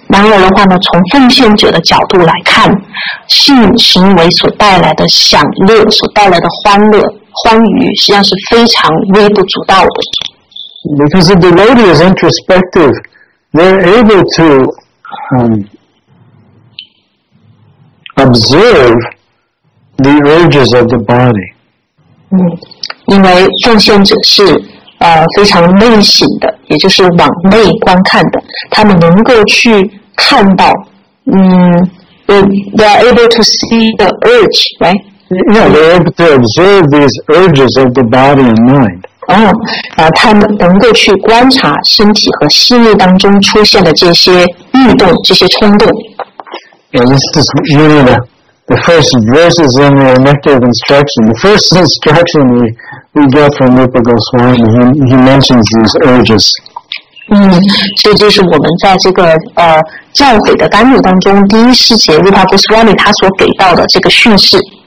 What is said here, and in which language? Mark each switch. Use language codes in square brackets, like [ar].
[zh] 然后的话呢，从奉献者的角度来看，性行为所带来的享乐、所带来的欢乐、欢愉，实际上是非常微不足道的。 [en] Because the devotee is introspective, they're able to observe the urges of the body. [zh] 嗯，因为奉献者是。非常内省的，也就是往内观看的，他们能够去看到， [en] they are able to see the urge, right? Yeah, they are able to observe these urges of the body and mind. [zh] 他们能够去观察身体和心意当中出现的这些欲动、这些冲动。 [en] Yeah, this is really the first verses in the Nectar of Instruction. The first instruction we get from Rupa Goswami, he mentions these urges. [zh] 嗯，所以就是我们在这个教诲的甘露当中，第一师节 Rupa Goswami 他所给到的这个训示。